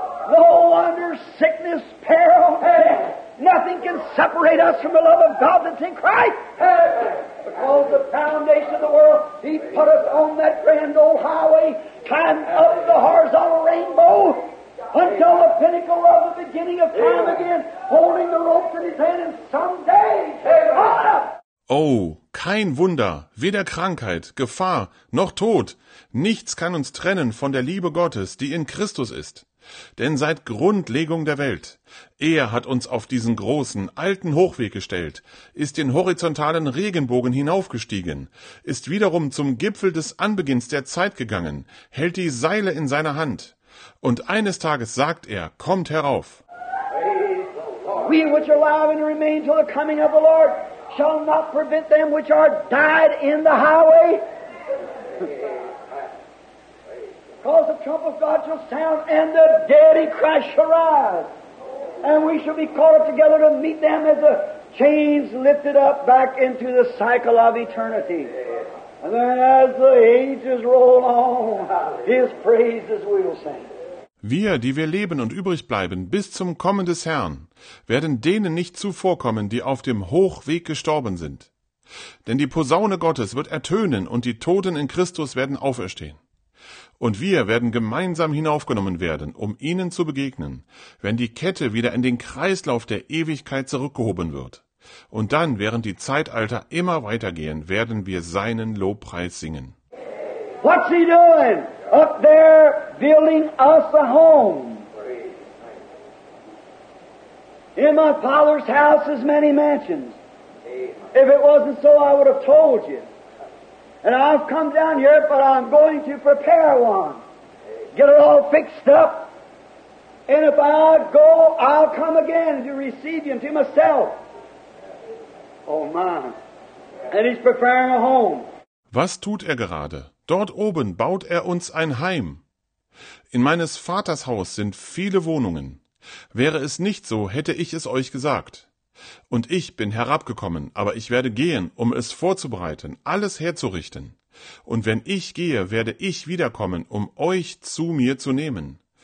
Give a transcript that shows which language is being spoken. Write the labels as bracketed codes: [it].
[en] No wonder sickness, peril, nothing can separate us from the love of God that's in Christ. Because the foundation of the world, he put us on that grand old highway, climbed up the horizontal rainbow, until the pinnacle of the beginning of time again, holding the ropes in his hand, and someday, [de] oh, kein Wunder, weder Krankheit, Gefahr, noch Tod, nichts kann uns trennen von der Liebe Gottes, die in Christus ist. Denn seit Grundlegung der Welt, er hat uns auf diesen großen, alten Hochweg gestellt, ist den horizontalen Regenbogen hinaufgestiegen, ist wiederum zum Gipfel des Anbeginns der Zeit gegangen, hält die Seile in seiner Hand. Und eines Tages sagt er, kommt herauf. [en] We which are alive and remain till the coming of the Lord shall not prevent them which are died in the highway. Because the trump of God shall sound, and the dead in Christ shall rise. And we shall be called together to meet them as the chains lifted up back into the cycle of eternity. And then as the ages roll on, his praises we will sing. [de] Wir, die wir leben und übrig bleiben bis zum Kommen des Herrn, werden denen nicht zuvorkommen, die auf dem Hochweg gestorben sind. Denn die Posaune Gottes wird ertönen und die Toten in Christus werden auferstehen. Und wir werden gemeinsam hinaufgenommen werden, um ihnen zu begegnen, wenn die Kette wieder in den Kreislauf der Ewigkeit zurückgehoben wird. Und dann, während die Zeitalter immer weitergehen, werden wir seinen Lobpreis singen. [en] What's he doing? Up there building us a home. In my Father's house is many mansions. If it wasn't so, I would have told you. And I've come down here, but I'm going to prepare one. Get it all fixed up. And if I go, I'll come again to receive you and to myself. Oh my. And he's preparing a home. [de] Was tut er gerade? Dort oben baut er uns ein Heim. In meines Vaters Haus sind viele Wohnungen. Wäre es nicht so, hätte ich es euch gesagt. Und ich bin herabgekommen, aber ich werde gehen, um es vorzubereiten, alles herzurichten. Und wenn ich gehe, werde ich wiederkommen, um euch zu mir zu nehmen.